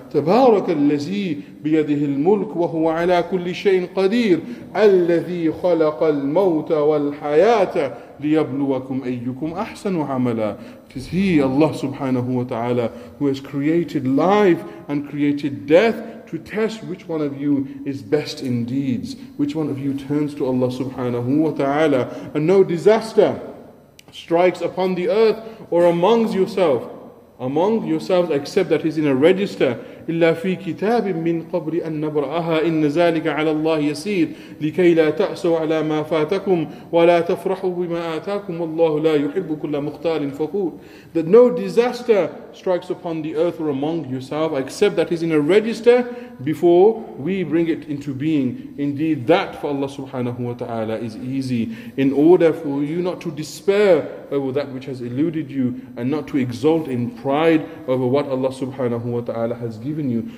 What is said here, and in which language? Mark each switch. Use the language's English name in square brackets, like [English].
[Arabic] تبارك الذي بيده الملك وهو على كل شيء قدير الذي خلق الموت والحياة ليبلوكم أيكم أحسن عملا. [English] It is He, Allah subhanahu wa ta'ala, who has created life and created death to test which one of you is best in deeds, which one of you turns to Allah subhanahu wa ta'ala, and no disaster strikes upon the earth or amongst yourselves, except that is in a register, [Arabic] إلا في كتاب من قبل أن نبرأها إن ذلك على الله يسير لكي لا تأسوا على ما فاتكم ولا تفرحوا بما آتاكم والله لا يحب كل مختال فخور. [English] That no disaster strikes upon the earth or among yourself except that is in a register before we bring it into being. Indeed, that for Allah subhanahu wa ta'ala is easy. In order for you not to despair over that which has eluded you and not to exult in pride over what Allah subhanahu wa ta'ala has given you.